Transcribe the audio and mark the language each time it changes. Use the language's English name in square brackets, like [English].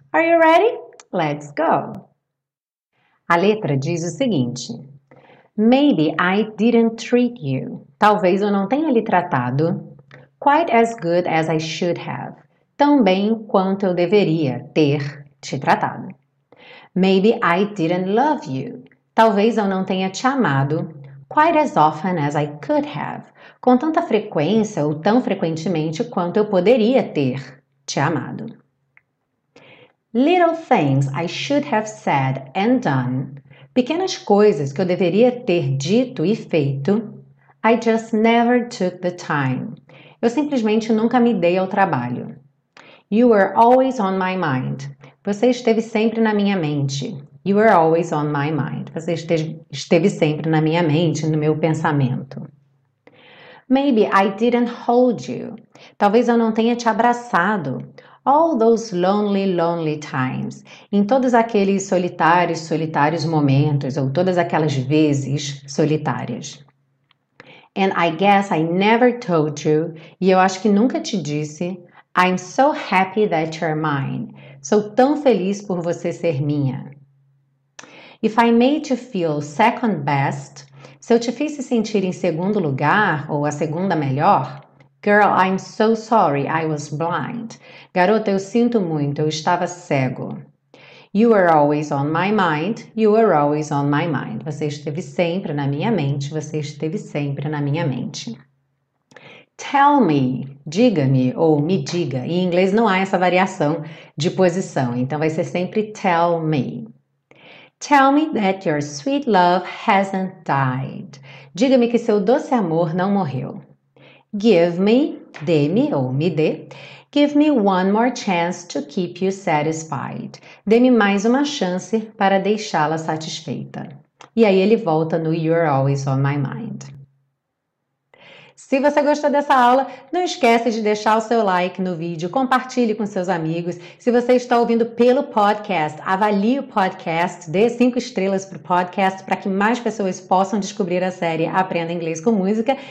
[English] Are you ready? Let's go! [Portuguese] A letra diz o seguinte: [English] Maybe I didn't treat you. [Portuguese] Talvez eu não tenha lhe tratado [English] quite as good as I should have. [Portuguese] Tão bem quanto eu deveria ter te tratado. [English] Maybe I didn't love you. [Portuguese] Talvez eu não tenha te amado [English] quite as often as I could have. [Portuguese] Com tanta frequência ou tão frequentemente quanto eu poderia ter te amado. [English] Little things I should have said and done. [Portuguese] Pequenas coisas que eu deveria ter dito e feito. [English] I just never took the time. [Portuguese] Eu simplesmente nunca me dei ao trabalho. [English] You were always on my mind. [Portuguese] Você esteve sempre na minha mente. [English] You were always on my mind. [Portuguese] Você esteve sempre na minha mente, no meu pensamento. [English] Maybe I didn't hold you. [Portuguese] Talvez eu não tenha te abraçado. [English] All those lonely, lonely times. [Portuguese] Em todos aqueles solitários, solitários momentos, ou todas aquelas vezes solitárias. [English] And I guess I never told you. [Portuguese] E eu acho que nunca te disse. [English] I'm so happy that you're mine. [Portuguese] Sou tão feliz por você ser minha. [English] If I made you feel second best, [Portuguese] se eu te fiz se sentir em segundo lugar ou a segunda melhor, [English] girl, I'm so sorry, I was blind. [Portuguese] Garota, eu sinto muito, eu estava cego. [English] You were always on my mind, you were always on my mind. [Portuguese] Você esteve sempre na minha mente, você esteve sempre na minha mente. [English] Tell me, [Portuguese] diga-me ou me diga. Em inglês não há essa variação de posição, então vai ser sempre [English] tell me. Tell me that your sweet love hasn't died. [Portuguese] Diga-me que seu doce amor não morreu. [English] Give me, [Portuguese] dê-me ou me dê. [English] Give me one more chance to keep you satisfied. [Portuguese] Dê-me mais uma chance para deixá-la satisfeita. E aí ele volta no [English] You're always on my mind. [Portuguese] Se você gostou dessa aula, não esquece de deixar o seu like no vídeo, compartilhe com seus amigos. Se você está ouvindo pelo podcast, avalie o podcast, dê 5 estrelas para o podcast para que mais pessoas possam descobrir a série Aprenda Inglês com Música.